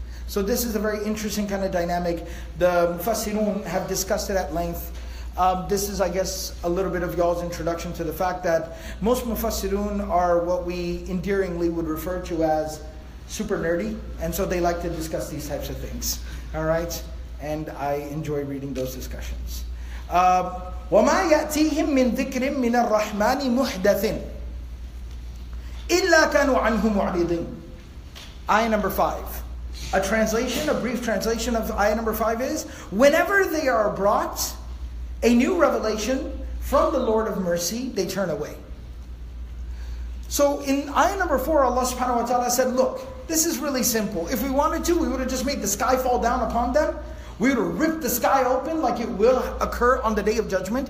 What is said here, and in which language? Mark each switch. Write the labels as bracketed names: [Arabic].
[English] So this is a very interesting kind of dynamic. The Mufassirun have discussed it at length. This is, I guess, a little bit of y'all's introduction to the fact that most Mufassirun are what we endearingly would refer to as super nerdy, and so they like to discuss these types of things. All right? And I enjoy reading those discussions. [Arabic] وَمَا يَأْتِيهِمْ مِنْ ذِكْرٍ مِنَ الرَّحْمَنِ مُحْدَثٍ إِلَّا كَانُوا عَنْهُ مُعْرِضِينَ [English] Ayah number 5. A translation, a brief translation of ayah number 5 is, whenever they are brought a new revelation from the Lord of Mercy, they turn away. So in ayah number 4, Allah subhanahu wa ta'ala said, look, this is really simple. If we wanted to, we would have just made the sky fall down upon them. We would have ripped the sky open like it will occur on the Day of Judgment.